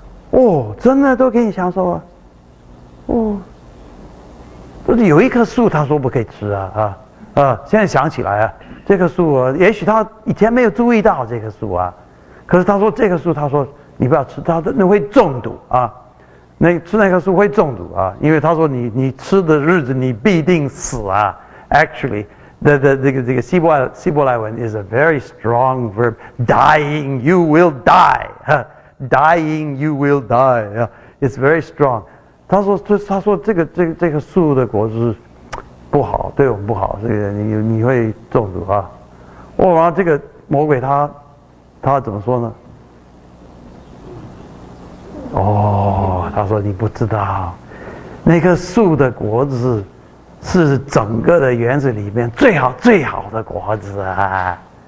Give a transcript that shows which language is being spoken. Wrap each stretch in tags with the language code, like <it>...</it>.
<zh>哦，真的都给你享受啊。” 哦，就是有一棵树，他说不可以吃啊啊啊！现在想起来啊，这棵树啊，也许他以前没有注意到这棵树啊，可是他说这棵树，他说你不要吃，他那会中毒啊，那吃那棵树会中毒啊，因为他说你吃的日子你必定死啊。</zh> <en>Actually, the</en> <zh>这个希伯来文</zh> <en>is a very strong verb, dying, you will die, dying, you will die, it's very strong.</en> <zh>他说这个树的果子不好，对我们不好，这个你会中毒啊。哦，然后这个魔鬼他怎么说呢？哦，他说你不知道，那棵树的果子是整个的园子里面最好最好的果子啊。</zh>